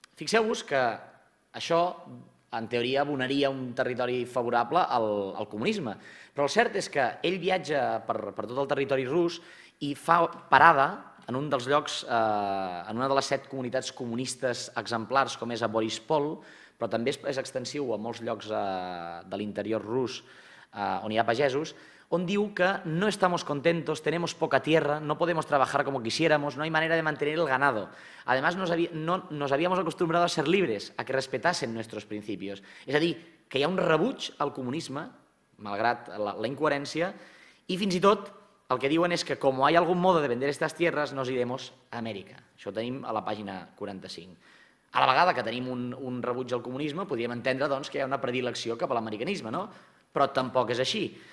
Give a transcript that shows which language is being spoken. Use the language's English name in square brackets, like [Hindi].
[Catalan] Fixeu-vos que això, en teoria, abonaria un territori favorable al comunisme, però el cert és que ell viatja per tot el territori rus i fa parada en un dels llocs, en una de les 7 comunitats comunistes exemplars, com és a Borispol, però també és extensiu a molts llocs de l'interior rus on hi ha pagesos, on diu que [Spanish] no estamos contentos, tenemos poca tierra, no podemos trabajar como quisiéramos, no hay manera de mantener el ganado. Además, nos habíamos acostumbrado a ser libres, a que respetasen nuestros principios. [Catalan] És a dir, que hi ha un rebuig al comunisme, malgrat la incoherència, i fins i tot el que diuen és que com hi ha algun [Spanish] modo de vender estas tierras, nos iremos a América. [Catalan] Això ho tenim a la pàgina 45. A la vegada que tenim un rebuig al comunisme, podríem entendre doncs, que hi ha una predilecció cap a l'americanisme, no? Però tampoc és així.